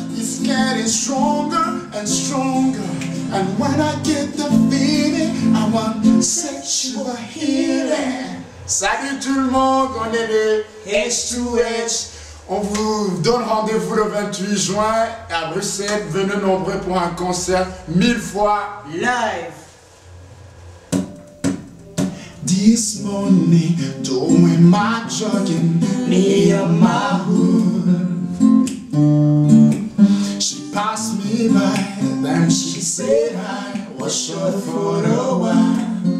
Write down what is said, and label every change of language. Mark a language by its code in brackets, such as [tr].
[en] It's getting stronger and stronger, and when I get the feeling, I want sexual healing. [fr] Salut tout le monde, on est les H2H. On vous donne rendez-vous le 28 juin à Bruxelles. Venez nombreux pour un concert mille fois live. [en] This morning, doing my jogging near my hood. She passed me by, then she said I was short for a while.